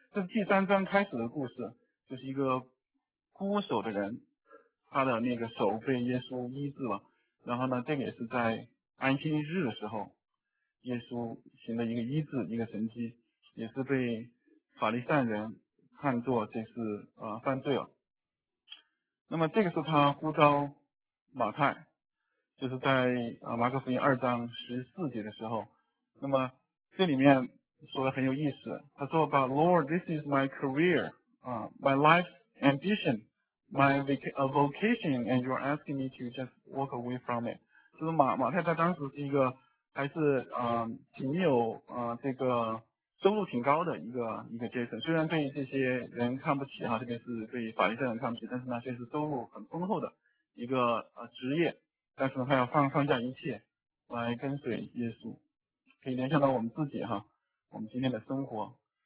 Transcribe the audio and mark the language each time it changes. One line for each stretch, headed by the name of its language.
Chinese: 这是第三章开始的故事，就是一个孤手的人，他的那个手被耶稣医治了，然后呢这个也是在安息日的时候耶稣行了一个医治，一个神迹，也是被法利赛人看作这是犯罪了。那么这个是他呼召马太，就是在马可福音2章14节的时候。那么这里面说的很有意思，他说
English: about Lord, this is my career, my life's ambition, my vocation, and you're asking me to just walk away from it.
Chinese: 就是马太他当时是一个还是挺有这个收入挺高的一个阶层，虽然对这些人看不起哈，特别是对法利赛人看不起，但是呢，确实收入很丰厚的一个职业，但是呢，他要放下一切来跟随耶稣，可以联想到我们自己哈，我们今天的生活。